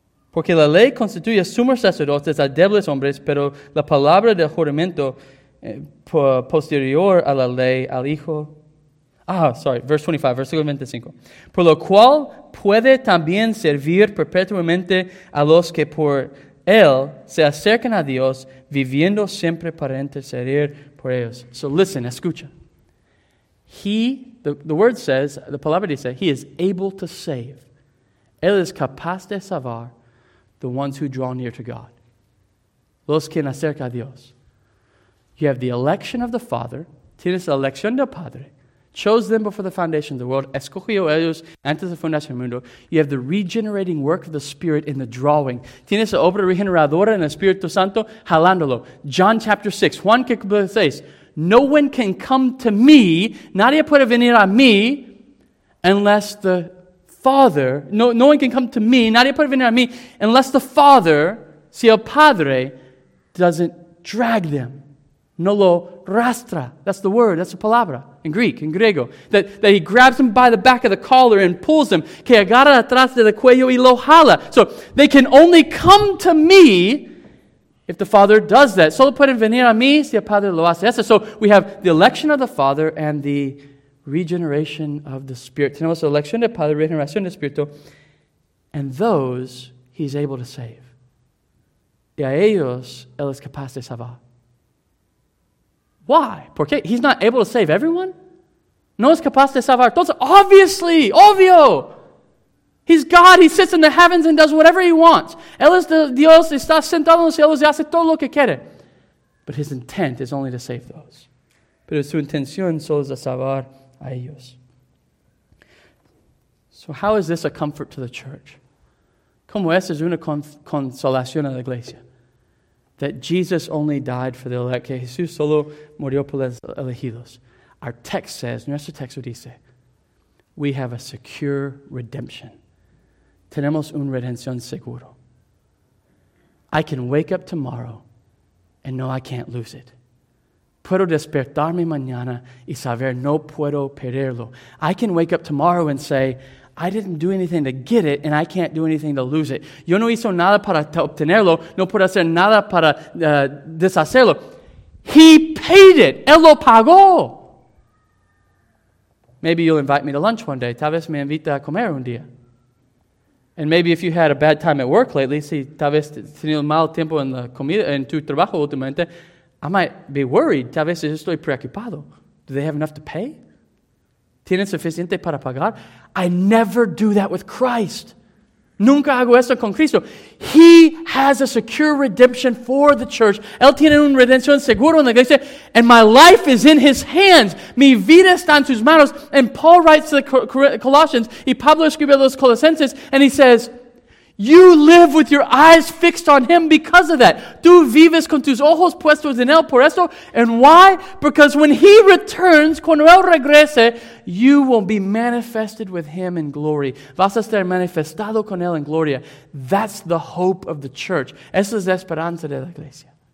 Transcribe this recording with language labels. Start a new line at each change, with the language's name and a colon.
Spanish: Porque la ley constituye sumos sacerdotes a débiles hombres, pero la palabra del juramento posterior a la ley al Hijo.
English: Verse 25,
Spanish: versículo 25. Por lo cual puede también servir perpetuamente a los que por él se acercan a Dios, viviendo siempre para interceder por ellos.
English: So listen, escucha. The palabra dice, he is able to save.
Spanish: Él es capaz de salvar.
English: The ones who draw near to God.
Spanish: Los que acercan a Dios.
English: You have the election of the Father.
Spanish: Tienes la elección del Padre.
English: Chose them before the foundation of the world.
Spanish: Escogió ellos antes de la fundación del mundo.
English: You have the regenerating work of the Spirit in the drawing.
Spanish: Tienes la obra regeneradora en el Espíritu Santo jalándolo.
English: John chapter 6.
Spanish: Juan capítulo 6.
English: No one can come to me.
Spanish: Nadie puede venir a mí
English: unless the Father, no one can come to me,
Spanish: nadie puede venir a mí,
English: unless the Father,
Spanish: si el Padre,
English: doesn't drag them.
Spanish: No lo rastra.
English: That's the word, that's the palabra, in Greek, in griego. That he grabs them by the back of the collar and pulls them.
Spanish: Que agarra atrás de la cuello y lo jala.
English: So, they can only come to me if the Father does that.
Spanish: Solo pueden venir a mí si el Padre lo hace.
English: So, we have the election of the Father and the regeneration of the Spirit.
Spanish: Tenemos la elección del Padre, regeneración del Espíritu,
English: and those he's able to save.
Spanish: Y a ellos, él es capaz de salvar.
English: Why?
Spanish: Porque
English: he's not able to save everyone?
Spanish: No es capaz de salvar.
English: Entonces, obviously, obvio. He's God. He sits in the heavens and does whatever he wants.
Spanish: Él es Dios, está sentado en los cielos y hace todo lo que quiere.
English: But his intent is only to save those.
Spanish: Pero su intención solo es de salvar a ellos.
English: So how is this a comfort to the church?
Spanish: ¿Cómo es una consolación a la iglesia?
English: That Jesus only died for the elect,
Spanish: que Jesús solo murió por los elegidos.
English: Our text says, nuestro texto dice, we have a secure redemption.
Spanish: Tenemos una redención seguro.
English: I can wake up tomorrow and know I can't lose it.
Spanish: Puedo despertarme mañana y saber no puedo perderlo.
English: I can wake up tomorrow and say, I didn't do anything to get it, and I can't do anything to lose it.
Spanish: Yo no hizo nada para obtenerlo, no puedo hacer nada para deshacerlo.
English: He paid it. Él lo pagó. Maybe you'll invite me to lunch one day.
Spanish: Tal vez me invita a comer un día.
English: And maybe if you had a bad time at work lately,
Spanish: si tal vez tenido mal tiempo en la comida en tu trabajo últimamente,
English: I might be worried.
Spanish: Tal vez estoy preocupado.
English: Do they have enough to pay?
Spanish: ¿Tienen suficiente para pagar?
English: I never do that with Christ.
Spanish: Nunca hago eso con Cristo.
English: He has a secure redemption for the church.
Spanish: Él tiene una redención segura en la iglesia.
English: And my life is in his hands.
Spanish: Mi vida está en sus manos.
English: And Paul writes to the Colossians,
Spanish: y Pablo escribe a los Colosenses,
English: and he says, you live with your eyes fixed on him because of that.
Spanish: Tú vives con tus ojos puestos en él por eso.
English: And why? Because when he returns,
Spanish: cuando él regrese,
English: you will be manifested with him in glory.
Spanish: Vas a estar manifestado con él en gloria.
English: That's the hope of the church.
Spanish: Esa es la esperanza de la iglesia.